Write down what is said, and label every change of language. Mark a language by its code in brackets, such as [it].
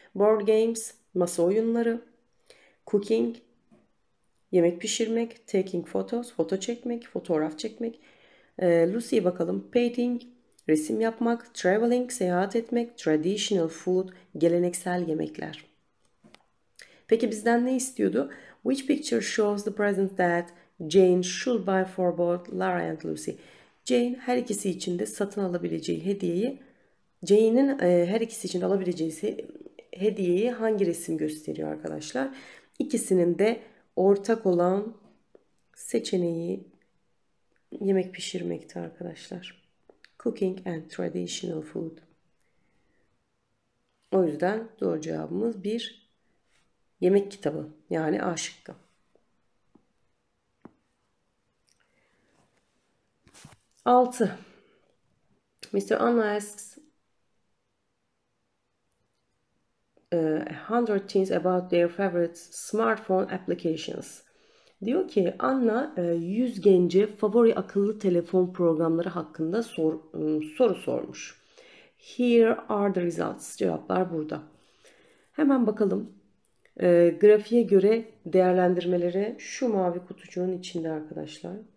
[en] Board games, [tr] masa oyunları, [en] cooking, [tr] yemek pişirmek, [en] taking photos, [tr] foto çekmek, fotoğraf çekmek. Lucy'ye bakalım. [en] Painting, [tr] resim yapmak, [en] traveling, [tr] seyahat etmek, [en] traditional food, [tr] geleneksel yemekler. Peki bizden ne istiyordu? [en] Which picture shows the present that Jane should buy for both Lara and Lucy? [tr] Jane her ikisi için de satın alabileceği hediyeyi, Jane'in her ikisi için alabileceği hediyeyi hangi resim gösteriyor arkadaşlar? İkisinin de ortak olan seçeneği yemek pişirmekti arkadaşlar. [en] Cooking and traditional food. [tr] O yüzden doğru cevabımız bir yemek kitabı. Yani A şıkkı. Altı. Mr. [en] Anna asks 100 things about their favorite smartphone applications. [tr] Diyor ki Anna 100 gence favori akıllı telefon programları hakkında soru sormuş. [en] Here are the results. [tr] Cevaplar burada. Hemen bakalım. Grafiğe göre değerlendirmeleri şu mavi kutucuğun içinde arkadaşlar.